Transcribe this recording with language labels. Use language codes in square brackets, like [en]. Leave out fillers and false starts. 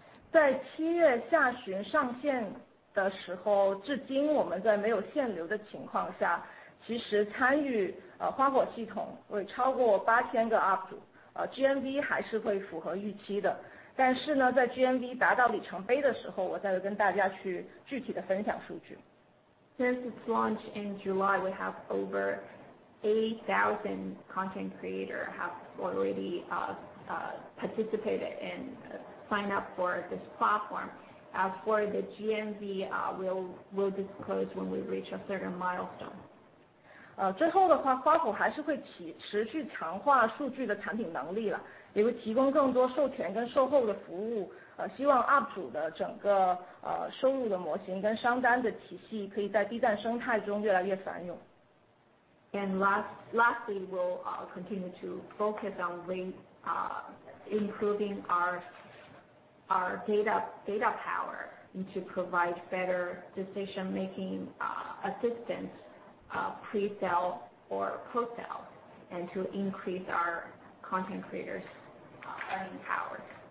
[zh] 在七月下旬上线的时候，至今我们在没有限流的情况下，其实参与花火系统会超过8000个 UP 主。 GMV 还是会符合预期的，但是呢，在 GMV 达到里程碑的时候，我再跟大家去具体的分享数据。 [en] Since its launch in July, we have over 8,000 content creator have already participated and sign up for this platform. As for the GMV, we'll disclose when we reach a certain milestone. [zh] 最后的话，花火还是会持续强化数据的产品能力了，也会提供更多售前跟售后的服务。希望 UP 主的整个收入的模型跟商单的体系可以在 B 站生态中越来越繁荣。 [en] And lastly, we'll continue to focus on improving our data power and to provide better decision making assistance. Pre-sale or post-sale, and to increase our content creators' earning power.